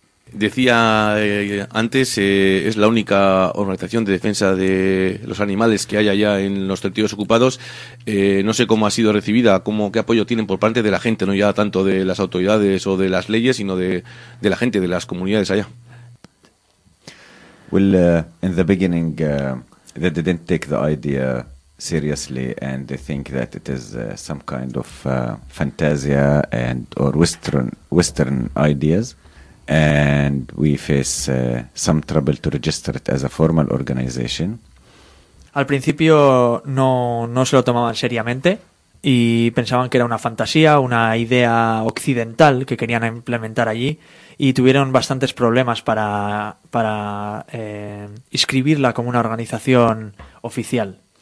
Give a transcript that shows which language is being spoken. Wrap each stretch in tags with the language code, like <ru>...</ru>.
<es>Decía antes, es la única organización de defensa de los animales que hay allá en los territorios ocupados. No sé cómo ha sido recibida, qué apoyo tienen por parte de la gente, no ya tanto de las autoridades o de las leyes, sino de la gente, de las comunidades allá.</es> <en>Well, in the beginning, they didn't take the idea seriously and they think that it is some kind of fantasia and or Western ideas. And we face some trouble to register it as a formal organization.</en> <es>Al principio no se lo tomaban seriamente y pensaban que era una fantasía, una idea occidental que querían implementar allí y tuvieron bastantes problemas para inscribirla como una organización oficial.</es>